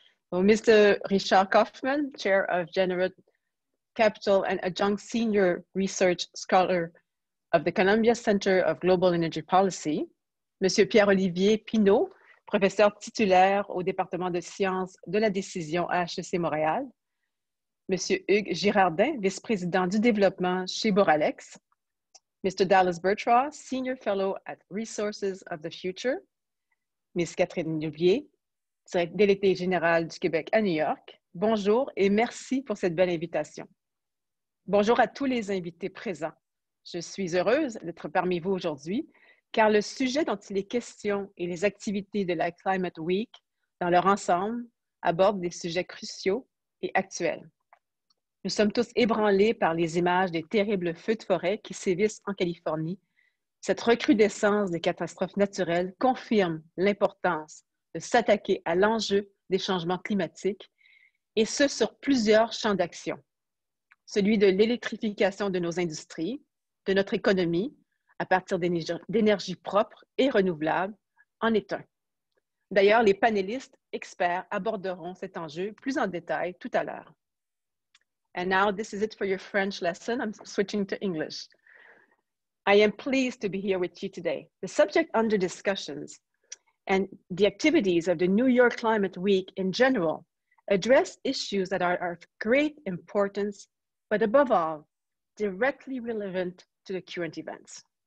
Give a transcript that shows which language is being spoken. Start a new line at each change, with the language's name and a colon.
English: Well, Mr. Richard Kaufman, Chair of General Capital and Adjunct Senior Research Scholar of the Columbia Center of Global Energy Policy, Monsieur Pierre-Olivier Pinault,
French: Professeur titulaire au Département de Sciences de la Décision à HEC Montréal,
English: Monsieur Hugues Girardin,
French: Vice-Président du Développement chez Boralex,
English: Mr. Dallas Bertrand, Senior Fellow at Resources of the Future, Ms.
French: Catherine Noulier, Délégué général du Québec à New York. Bonjour et merci pour cette belle invitation. Bonjour à tous les invités présents. Je suis heureuse d'être parmi vous aujourd'hui, car le sujet dont il est question et les activités de la Climate Week, dans leur ensemble, abordent des sujets cruciaux et actuels. Nous sommes tous ébranlés par les images des terribles feux de forêt qui sévissent en Californie. Cette recrudescence des catastrophes naturelles confirme l'importance de s'attaquer à l'enjeu des changements climatiques, et ce sur plusieurs champs d'action. Celui de l'électrification de nos industries, de notre économie, à partir d'énergies propres et renouvelables, en est un. D'ailleurs, les panélistes experts aborderont cet enjeu plus en détail tout à l'heure.
English: And now, this is it for your French lesson. I'm switching to English. I am pleased to be here with you today. The subject under discussions and the activities of the New York Climate Week in general address issues that are of great importance, but above all, directly relevant to the current events.